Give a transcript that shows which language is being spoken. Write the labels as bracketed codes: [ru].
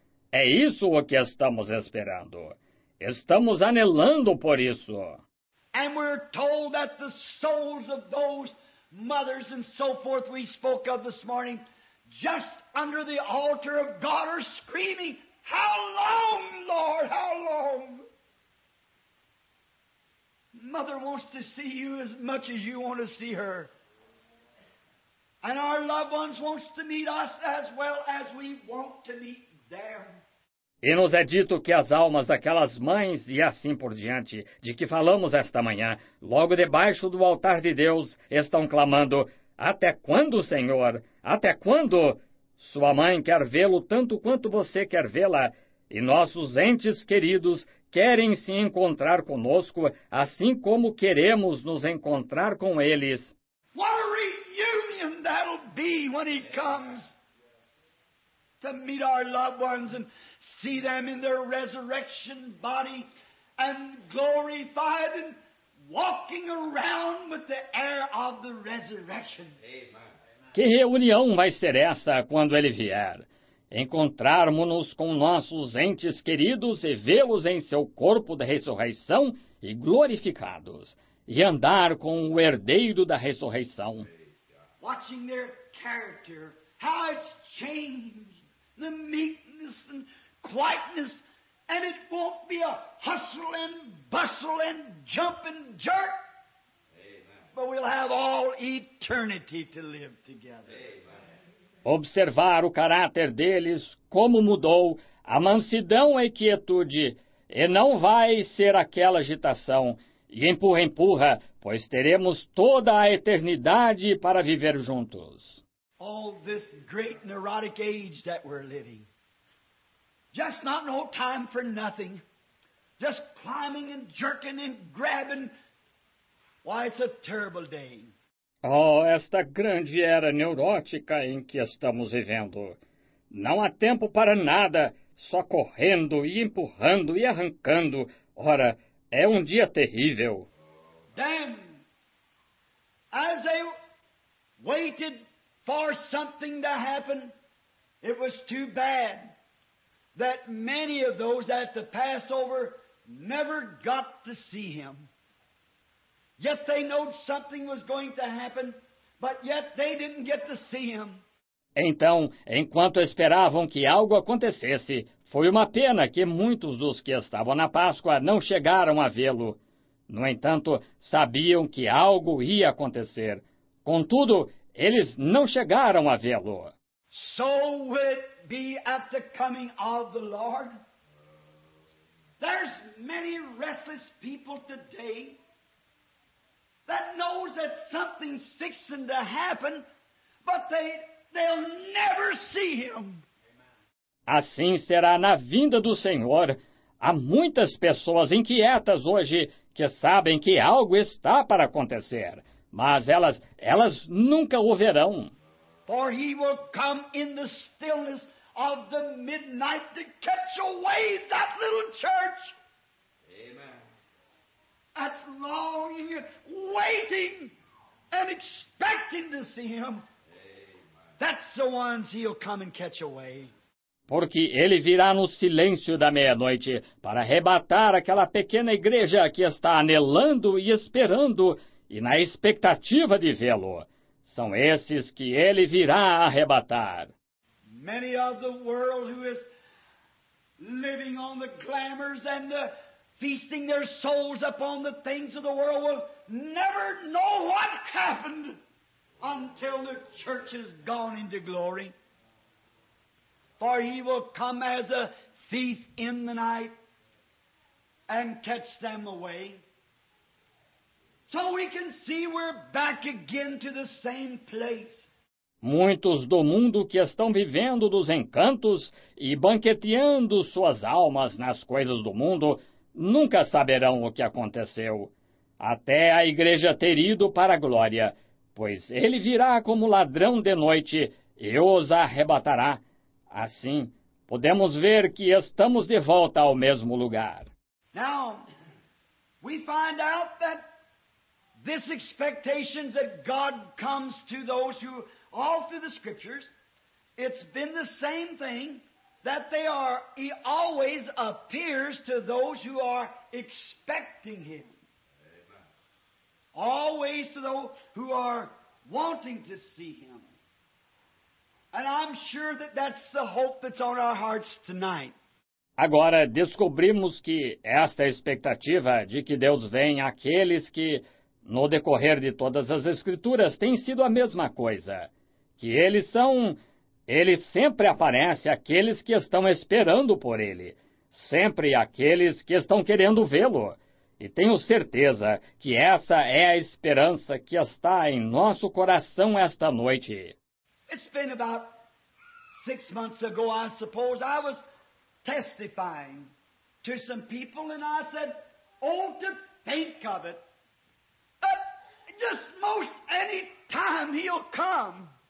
[pt] É isso o que estamos esperando. Estamos anelando por isso. [en] And we're told that the souls of those mothers and so forth we spoke of this morning, just under the altar of God, are screaming, "How long, Lord? How long?" Mother wants to see you as much as you want to see her. And our loved ones wants to meet us as well as we want to meet them. [pt] E nos é dito que as almas daquelas mães e assim por diante, de que falamos esta manhã, logo debaixo do altar de Deus, estão clamando, "Até quando, Senhor? Até quando?" Sua mãe quer vê-lo tanto quanto você quer vê-la, e nossos entes queridos querem se encontrar conosco, assim como queremos nos encontrar com eles. Que reunião será quando ele vier! [en] To meet our loved ones and see them in their resurrection body and glorified and walking around with the air of the resurrection. [pt] Que reunião vai ser essa quando ele vier? Encontrarmos-nos com nossos entes queridos e vê-los em seu corpo da ressurreição e glorificados, e andar com o herdeiro da ressurreição. [en] Watching their character, how it's changed. The meekness and quietness, and it won't be a hustle and bustle and jump and jerk. Amen. But we'll have all eternity to live together. Amen. [pt] Observar o caráter deles, como mudou, a mansidão e quietude, e não vai ser aquela agitação, e empurra, empurra, pois teremos toda a eternidade para viver juntos. [en] All this great neurotic age that we're living. Just not no time for nothing. Just climbing and jerking and grabbing. Why, it's a terrible day. [pt] Oh, esta grande era neurótica em que estamos vivendo. Não há tempo para nada, só correndo e empurrando e arrancando. Ora, é um dia terrível. [en] Then, as they waited for something to happen, it was too bad that many of those at the Passover never got to see him. Yet they knew something was going to happen, but yet they didn't get to see him. [pt] Então, enquanto esperavam que algo acontecesse, foi uma pena que muitos dos que estavam na Páscoa não chegaram a vê-lo. No entanto, sabiam que algo ia acontecer. Contudo, eles não chegaram a vê-lo. [en] So will it be at the coming of the Lord. There's many restless people today that knows that something's fixing to happen, but they'll never see him. [pt] Assim será na vinda do Senhor. Há muitas pessoas inquietas hoje que sabem que algo está para acontecer. Mas elas nunca o verão. [en] For he will come in the stillness of the midnight to catch away that little church. Amen. That's longing, waiting, and expecting to see him. Amen. That's the ones he'll come and catch away. [pt] Porque ele virá no silêncio da meia-noite para arrebatar aquela pequena igreja que está anelando e esperando. E na expectativa de vê-lo, são esses que ele virá arrebatar. [en] Many of the world who is living on the glamours and the feasting their souls upon the things of the world will never know what happened until the church is gone into glory. For he will come as a thief in the night and catch them away. So we can see we're back again to the same place. [pt] Muitos do mundo que estão vivendo dos encantos e banqueteando suas almas nas coisas do mundo nunca saberão o que aconteceu, até a igreja ter ido para a glória, pois ele virá como ladrão de noite e os arrebatará. Assim, podemos ver que estamos de volta ao mesmo lugar. [en] Now, we find out that this expectation that God comes to those who all through the scriptures, it's been the same thing that they are, he always appears to those who are expecting him. Amen. Always to those who are wanting to see him. And I'm sure that that's the hope that's on our hearts tonight. [pt] Agora descobrimos que esta expectativa de que Deus vem àqueles que, no decorrer de todas as escrituras, tem sido a mesma coisa. Que ele sempre aparece àqueles que estão esperando por ele, sempre àqueles que estão querendo vê-lo. E tenho certeza que essa é a esperança que está em nosso coração esta noite. [en] It's been about 6 months ago, I suppose, I was testifying to some people and I said, oh, to think of it, just most any time he'll come.